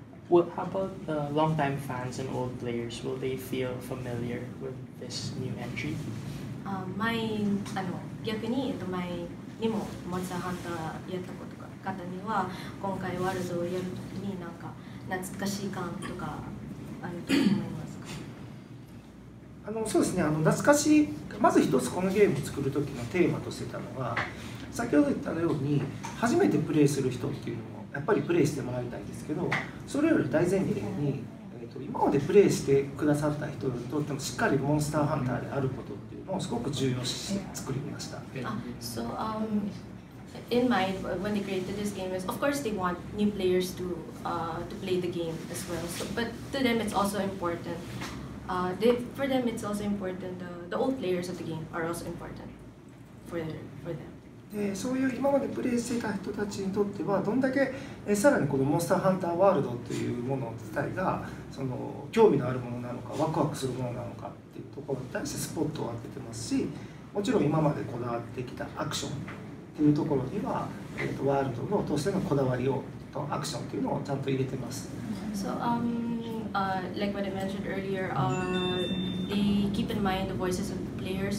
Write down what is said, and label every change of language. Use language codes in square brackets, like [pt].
[en] Well, how about the long-time fans and old players? Will they feel familiar with this new entry? My, 逆に、my [ja] にもモンスターハンターやったことがある方には、今回ワールドをやるときに何か懐かしい感とかあると思います。そうですね、懐かしい、まず一つこのゲームを作る時のテーマとしてたのは、先ほど言ったように初めてプレイする人っていうのをやっぱりプレイしてもらいたいんですけど、それより大前提に、今までプレイしてくださった人にとってもしっかりモンスターハンターであることっていうのをすごく重要視して作りました。 [en] So, in mind when they created this game is of course they want new players to play the game as well, so, but to them it's also importantfor them, it's also important. The old players of the game are also important for them. [ja] そういう今までプレイしていた人たちにとっては、どんだけさらにこのモンスターハンターワールドというもの自体がその興味のあるものなのか、ワクワクするものなのかっていうところに対してスポットを当ててますし、もちろん今までこだわってきたアクションっていうところには、ワールドとしてのこだわりをとアクションというのをちゃんと入れてます。 [en] So, like what I mentioned earlier, they keep in mind the voices of the players.